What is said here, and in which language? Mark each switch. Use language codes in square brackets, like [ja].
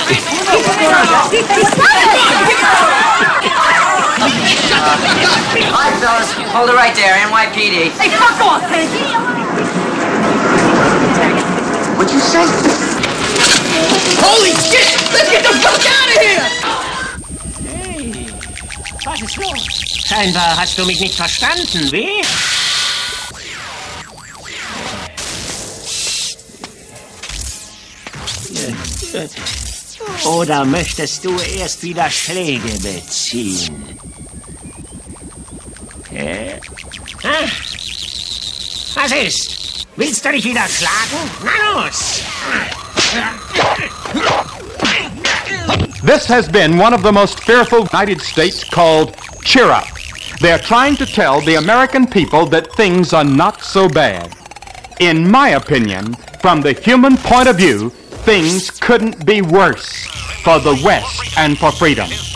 [en] Hi, fellas. Hold it right there, NYPD. Hey, fuck off, Peggy. What'd you say? Holy shit! Let's get the fuck out of here! Hey. [de] And hast du mich nicht verstanden, wie? Oder möchtest du erst wieder Schläge beziehen? Hä? Was ist? Willst du dich wieder schlagen? Na los! [en] This has been one of the most fearful United States called Cheer Up. They're trying to tell the American people that things are not so bad. In my opinion, from the human point of view, things couldn't be worse for the West and for freedom.